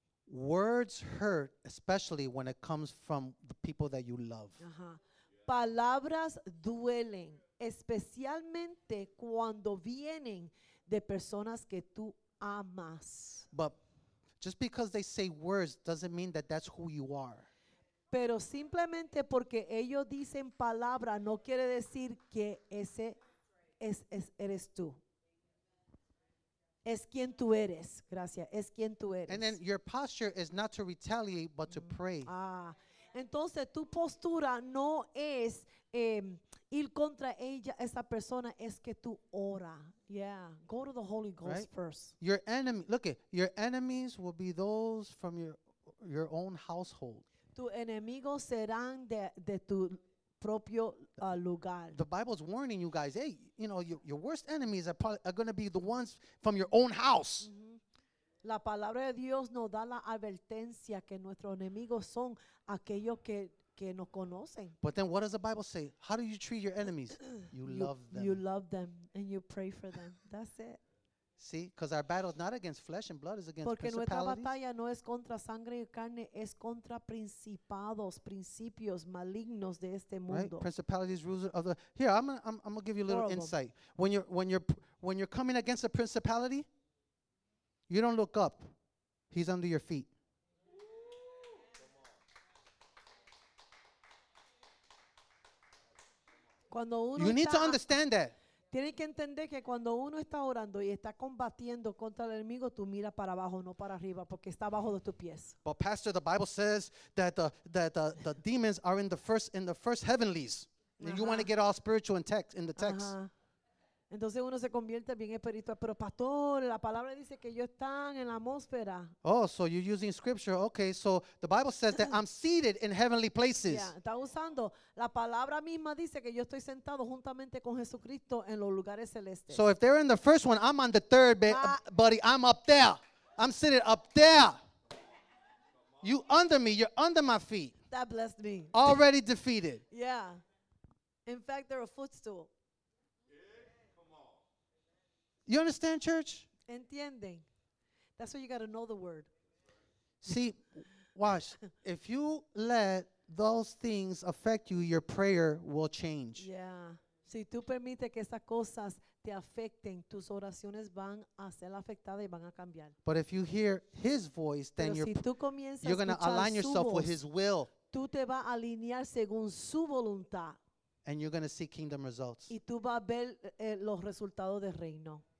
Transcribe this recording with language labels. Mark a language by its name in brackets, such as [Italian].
[English] Words hurt, especially when it comes from the people that you love. [Spanish] Palabras duelen, especialmente cuando vienen de personas que tú amas. [English] But just because they say words doesn't mean that that's who you are. [Spanish] Pero simplemente porque ellos dicen palabra no quiere decir que ese es eres tú. Es quien tú eres. Gracias. Es quien tú eres. [English] And then your posture is not to retaliate, but to pray. Ah. [Spanish] Entonces tu postura no es ir contra ella, esa persona, es que tú ora. [English] Yeah. Go to the Holy Ghost right? First. Your enemy, look it, your enemies will be those from your own household. [Spanish] Tu enemigo serán de tu propio lugar. [English] The Bible's warning you guys, hey, you know, your worst enemies are going to be the ones from your own house. [Spanish] La palabra de Dios nos da la advertencia que nuestros enemigos son aquellos que nos conocen. [English] But then what does the Bible say? How do you treat your enemies? You love them. You love them and you pray for them. That's it. See, because our battle is not against flesh and blood, it's against [Spanish] porque [English] principalities. [Spanish] Porque nuestra batalla no es contra sangre y carne, es contra principados, principios malignos de este mundo. [English] Right? Principalities, rulers of the. Here, I'm gonna give you a little horrible insight. When you're coming against a principality, you don't look up. He's under your feet. [Spanish] Cuando uno [English] you need to understand that. [Spanish] Tienes que entender que cuando uno está orando y está combatiendo contra el enemigo, tú miras para abajo, no para arriba, porque está abajo de tus pies. [English] But pastor, the Bible says that the demons are in the first heavenlies. Uh-huh. You want to get all spiritual in the text. Uh-huh. [Spanish] Entonces uno se convierte bien espiritual. Pero pastor, la palabra dice que yo están en la atmósfera. [English] Oh, so you're using scripture. Okay, so the Bible says that I'm seated in heavenly places. [Spanish] Yeah, está usando. La palabra misma dice que yo estoy sentado juntamente con Jesucristo en los lugares celestes. [English] So if they're in the first one, I'm on the third, buddy. I'm up there. I'm sitting up there. You under me. You're under my feet. That blessed me. Already defeated. Yeah. In fact, they're a footstool. You understand, church? [Spanish] Entienden. [English] That's why you got to know the word. See, watch. If you let those things affect you, your prayer will change. [Spanish] Yeah. Si tú permites que esas cosas te afecten, tus oraciones van a ser afectadas y van a cambiar. [English] But if you hear his voice, then you're going to align yourself with his will. [Spanish] Tú te vas a alinear según su voluntad. [English] And you're going to see kingdom results. [Spanish] Y tú vas a ver los resultados del reino.